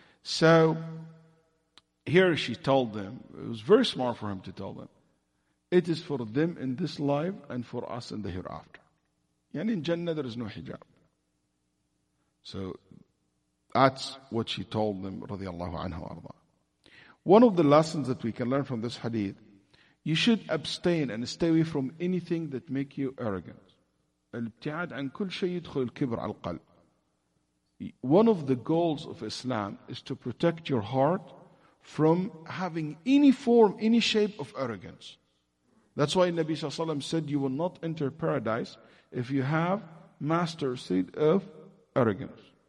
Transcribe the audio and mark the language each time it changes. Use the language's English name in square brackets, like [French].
[English] So, here she told them, it was very smart for him to tell them, it is for them in this life and for us in the hereafter. And in Jannah there is no hijab. So, that's what she told them, radiallahu anhu arda. One of the lessons that we can learn from this hadith, you should abstain and stay away from anything that make you arrogant. [Arabic] الابتعاد عن كل شيء يدخل الكبر على القلب. [English] One of the goals of Islam is to protect your heart from having any form, any shape of arrogance. That's why Nabi Sallallahu Alaihi Wasallam said you will not enter paradise if you have master seed of arrogance.